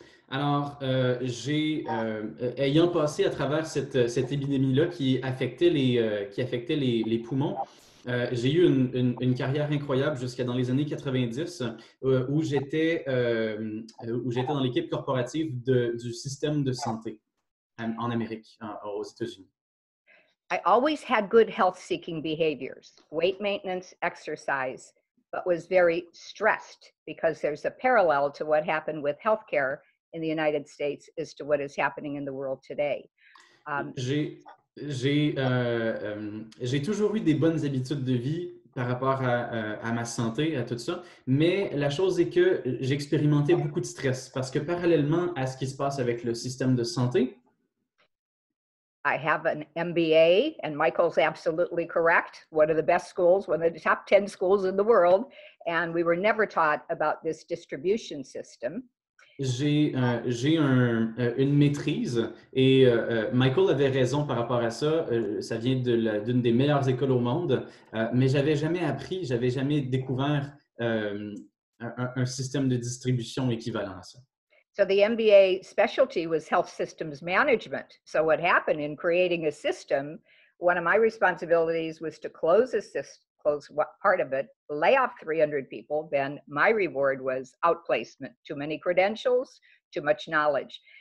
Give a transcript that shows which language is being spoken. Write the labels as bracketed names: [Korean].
[French] Alors, ayant passé à travers cette épidémie-là qui affectait les poumons, j'ai eu une carrière incroyable jusqu'à dans les années 90 où j'étais dans l'équipe corporative du système de santé en Amérique, aux États-Unis. [English] I always had good health-seeking behaviors, weight maintenance, exercise, but was very stressed because there's a parallel to what happened with healthcare in the United States as to what is happening in the world today. [French] J'ai toujours eu des bonnes habitudes de vie par rapport à ma santé, à tout ça. Mais la chose est que j'expérimentais beaucoup de stress parce que parallèlement à ce qui se passe avec le système de santé. [English] I have an MBA, and Michael's absolutely correct. One of the best schools, one of the top 10 schools in the world. And we were never taught about this distribution system. [French] J'ai une maîtrise et Michael avait raison par rapport à ça. Ça vient d'une des meilleures écoles au monde, mais j'avais jamais découvert un système de distribution équivalent à ça. [English] So the MBA specialty was health systems management. So what happened in creating a system, one of my responsibilities was to close a system, close part of it, lay off 300 people, then my reward was outplacement, too many credentials, too much knowledge.